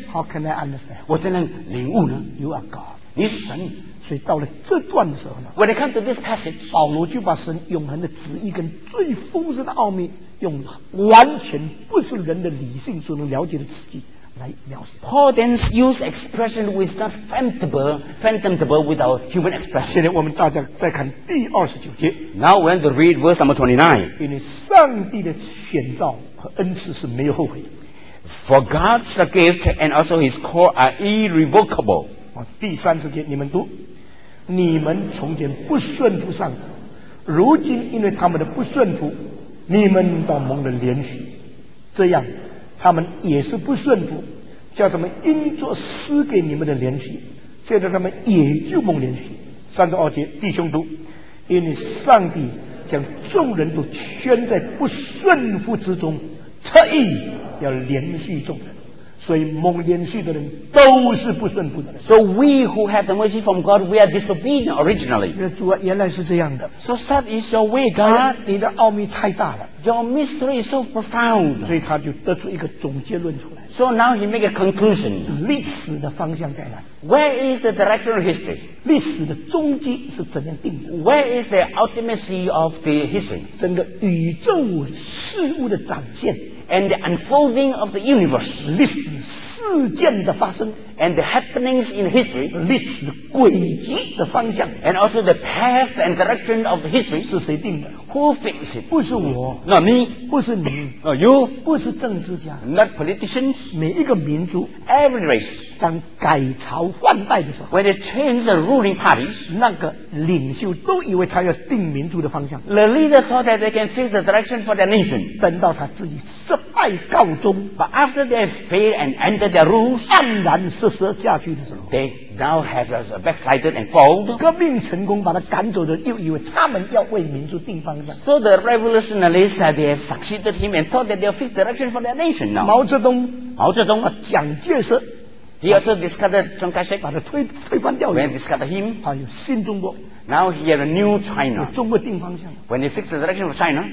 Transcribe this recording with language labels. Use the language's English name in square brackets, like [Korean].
[English] ？How can I understand? [Chinese] 我怎样领悟呢 [English] ？You are God. [Chinese] 你是神。所以到了这段的时候呢 [English] When it comes to this passage [Chinese] 保罗就把神永恒的旨意跟最丰盛的奥秘用完全不是人的理性所能了解的词句来描写 [English] Paul then used expression which is not fathomable without human expression [Chinese] 现在我们大家再看第二十九节 [English] Now we're going to read verse number 29 [Chinese] 因为上帝的选召和恩赐是没有后悔 [English] For God's gift and also his call are irrevocable [Chinese] 第三十节你们读你们从前不顺服上帝如今因为他们的不顺服你们倒蒙了怜恤这样他们也是不顺服叫他们因着施给你们的怜恤现在他们也就蒙怜恤三十二节，弟兄读，因为上帝将众人都圈在不顺服之中，特意要连续众人，所以蒙连续的人都是不顺服的人。 [English] So we who have the mercy from God, we are disobedient originally. [Chinese] 主啊，原来是这样的。 [English] So such is your way, God. [Chinese] 你的奥秘太大了。 [English] Your mystery is so profound. [Chinese] 所以他就得出一个总结论出来。 [English] So now he make a conclusion. [Chinese] 历史的方向在哪里？ [English] Where is the direction of history? [Chinese] 历史的终极是怎样定的？ [English] Where is the ultimacy of the history? [Chinese] 整个宇宙事物的展现。 [English] And the unfolding of the universe, [Chinese] 历史事件的发生 [English] ，and the happenings in history, [Chinese] 历史轨迹的方向 [English] ，and also the path and direction of history [Chinese] 是谁定的 [English] ？Who fixed it? [Chinese] 不是我 [English] ，Not me. [Chinese] 不是你 [English] ，Not you. [Chinese] 不是政治家 [English] ，Not politicians. [Chinese] 每一个民族 [English] ，Every race. [Chinese] 当改朝换代的时候 [English] ，When they change the ruling party, [Chinese] 那个领袖都以为他要定民族的方向 [English] ，The leader thought that they can fix the direction for their nation. [Chinese] 等到他自己失败告终 [English] ，But after they fail and under their rules, [Chinese] 黯然失色下去的时候 [English] ，They now have a backslided and fold. [Chinese] 革命成功把他赶走的，又以为他们要为民族定方向。 [English] So the revolutionaries that they have succeeded him and thought that they'll fix the direction for their nation now. [Chinese] 毛泽东啊，蒋介石。 [English] He also discovered Chiang Kai-shek, [Chinese] 把他推翻掉了。 [English] When he discovered him, [Chinese] 他有新中国。 [English] Now he had a new China. [Chinese] 有中国定方向。 [English] When he fixed the direction of China,